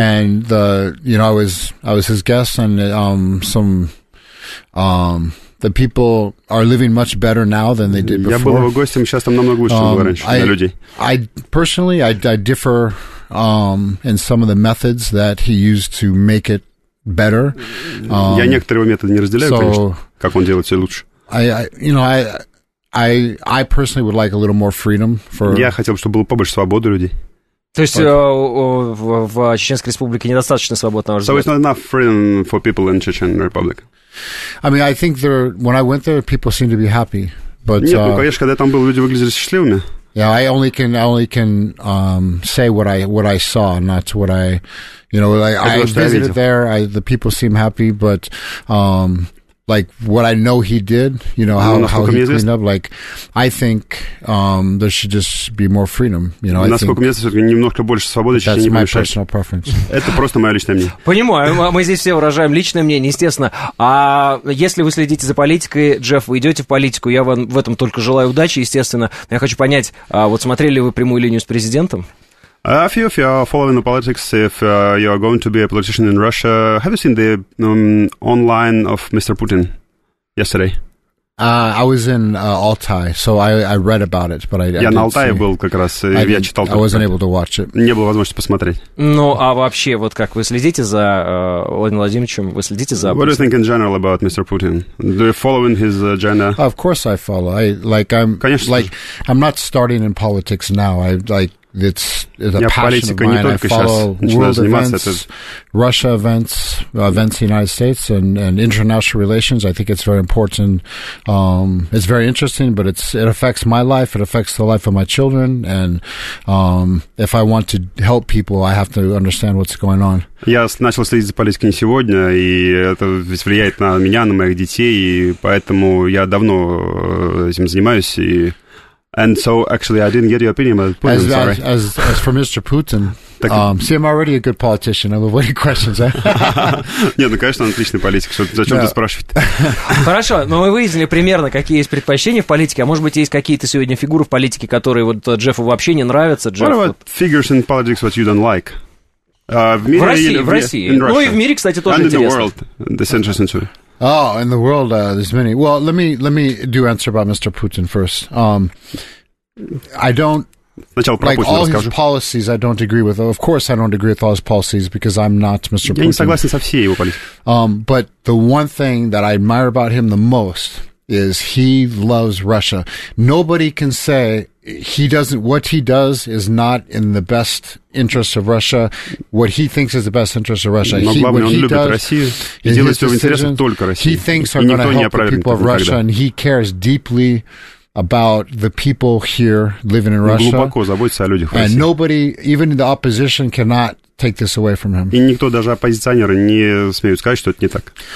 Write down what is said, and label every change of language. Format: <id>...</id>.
<en>And I was his guest, and the people are living much better now than they did before.</en> <ru>Я был его гостем, сейчас там намного лучше, чем раньше, для людей.</ru> <en>I personally differ in some of the methods that he used to make it better.</en> <ru>Я некоторые его методы не разделяю, конечно. Как он делает все лучше?</ru> <en>I personally would like a little more freedom for.</en> <ru>Я хотел бы, чтобы было побольше свободы людей. То есть в Чеченской Республике недостаточно свободы, на ваш взгляд?</ru> <en>So it's not enough freedom for people in Chechen Republic. I mean, I think there. When I went there, people seemed to be happy. But</en> <ru>нет, ну конечно, когда там был, люди выглядели счастливыми.</ru> <en>Yeah, I only can say what I saw, not what I, you know, like, I visited there. The people seem happy, but. Like what I know he did, you know, how he cleaned up. Like, I think there should just be more freedom. You know,</en> <ru>насколько мне известно, немножко больше свободы, чем не мешает.</ru> <en>That's my personal preference.</en> <ru>Это просто мое личное мнение. Понимаю, мы здесь все выражаем личное мнение, естественно. А если вы следите за политикой, Джефф, вы идете в политику, я вам в этом только желаю удачи, естественно. Я хочу понять, вот смотрели ли вы прямую линию с президентом?</ru> <en>A few of you are following the politics. If you are going to be a politician in Russia, have you seen the online of Mr. Putin yesterday? I was in Altai, so I read about it, but I</en> <ru>Я на Алтае был как раз, я читал.</ru> <en>I wasn't able to watch it.</en> <ru>Не было возможности посмотреть. Ну, а вообще, вот как вы следите за Владимиром Владимировичем, вы следите за...</ru> <en>What do you think in general about Mr. Putin? Do you follow in his agenda? Of course I follow. I'm not starting in politics now. It's a passion of mine. I follow world events, Russia events, events in the United States, and international relations. I think it's very important. It's very interesting, but it affects my life. It affects the life of my children. And if I want to help people, I have to understand what's going on.</en> <ru>Я начал следить за политикой не сегодня, и это ведь влияет на меня, на моих детей, и поэтому я давно этим занимаюсь. И</ru> <en>And so, actually, I didn't get your opinion about Putin, As for Mr. Putin, see, I'm already a good politician. I'm avoiding questions, eh?</en> <ru>Нет, ну, конечно, он отличный политик. Зачем ты спрашивать? Хорошо, но мы выяснили примерно, какие есть предпочтения в политике, а может быть, есть какие-то сегодня фигуры в политике, которые вот Джеффу вообще не нравятся.</ru> <en>What about figures in politics that you don't like?</en> <ru>В России. Ну, и в мире, кстати, тоже интересно.</ru> <en>And in the world, that's interesting too. Oh, in the world, there's many. Well, let me do answer about Mr. Putin first. I don't like all his policies. I don't agree with. Of course, I don't agree with all his policies because I'm not Mr. Putin.</en> <ru>Я не согласен со всей его политикой.</ru> <en>But the one thing that I admire about him the most is he loves Russia. Nobody can say he doesn't, what he does is not in the best interest of Russia. What he thinks is the best interest of Russia.</en> <ru>Но главное, он любит</ru> <en>does,</en> <ru>Россию и делает все в интересах только России.</ru> <en>He thinks are going to help the people of Russia, and he cares deeply about the people here living in Russia.</en> <ru>Глубоко заботится о людях в России.</ru> <en>And nobody, even the opposition, cannot take this away from him.</en> <ru>И никто, даже оппозиционеры, не смеют сказать, что это не так.</ru>